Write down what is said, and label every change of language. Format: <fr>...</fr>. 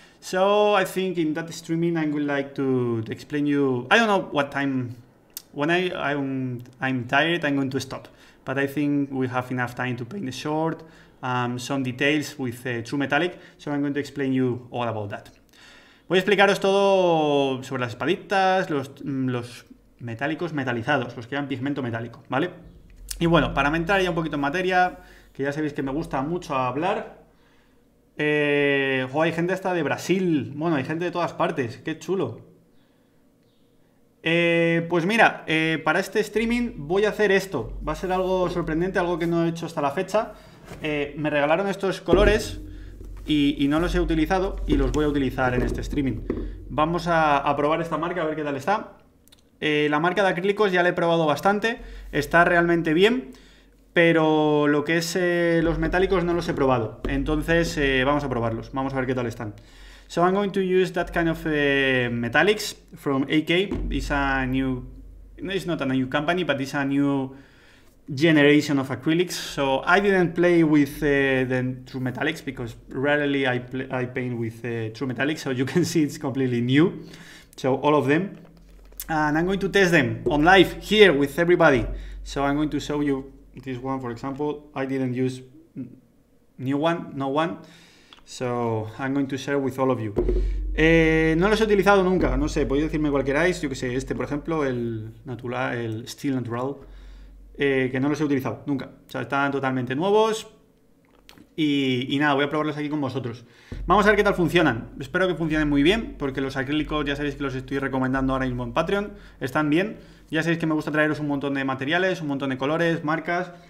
<en>So I think in that streaming, I would like to explain you, I don't know what time, when I'm tired, I'm going to stop. But I think we have enough time to paint a short, some details with True Metallic, so I'm going to explain you all about that.</en> <es>Voy a explicaros todo sobre las espaditas, los metálicos metalizados, los que llevan pigmento metálico, ¿vale? Y bueno, para entrar ya un poquito en materia, que ya sabéis que me gusta mucho hablar. Hay gente hasta de Brasil. Bueno, hay gente de todas partes, qué chulo. Pues mira, para este streaming voy a hacer esto. Va a ser algo sorprendente, algo que no he hecho hasta la fecha. Me regalaron estos colores y no los he utilizado y los voy a utilizar en este streaming. Vamos a probar esta marca a ver qué tal está. La marca de acrílicos ya la he probado bastante, está realmente bien, pero lo que es los metálicos no los he probado. Entonces vamos a probarlos, vamos a ver qué tal están.</es> <en>So I'm going to use that kind of metallics from AK. It's a new, it's not a new company, but it's a new generation of acrylics. So I didn't play with the True Metallics because rarely I paint with True Metallics. So you can see it's completely new. So all of them. And I'm going to test them on live here with everybody. So I'm going to show you this one, for example. I didn't use new one, no one. So, I'm going to share with all of you.</en> <es>No los he utilizado nunca, no sé, podéis decirme cuál queráis, yo que sé, este por ejemplo, el natural, el Steel Natural, que no los he utilizado nunca, o sea, están totalmente nuevos y nada, voy a probarlos aquí con vosotros. Vamos a ver qué tal funcionan, espero que funcionen muy bien, porque los acrílicos ya sabéis que los estoy recomendando ahora mismo en Patreon, están bien, ya sabéis que me gusta traeros un montón de materiales, un montón de colores, marcas.</es>